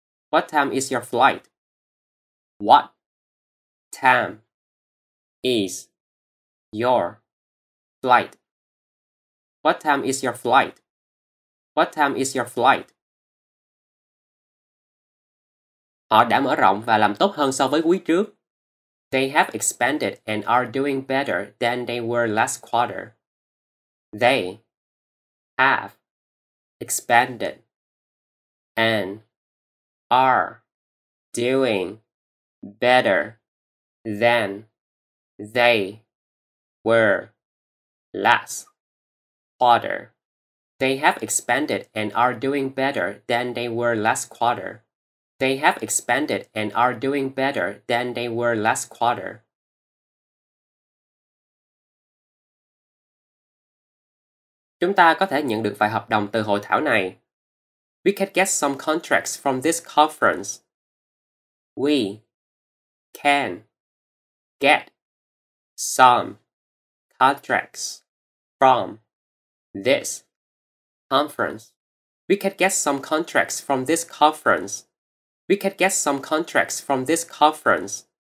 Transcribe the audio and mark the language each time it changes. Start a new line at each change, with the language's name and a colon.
English: What time is your flight? What time is your flight? What time is your flight? What time is your flight?
Vietnamese: Họ đã mở rộng và làm tốt hơn so với quý trước.
English: They have expanded and are doing better than they were last quarter. They have expanded and are doing better than they were last quarter. They have expanded and are doing better than they were last quarter. They have expanded and are doing better than they were last quarter.
Vietnamese: Chúng ta có thể nhận được vài hợp đồng từ hội thảo này.
English: We can get some contracts from this conference. We can get some contracts from this conference. We can get some contracts from this conference. We can get some contracts from this conference.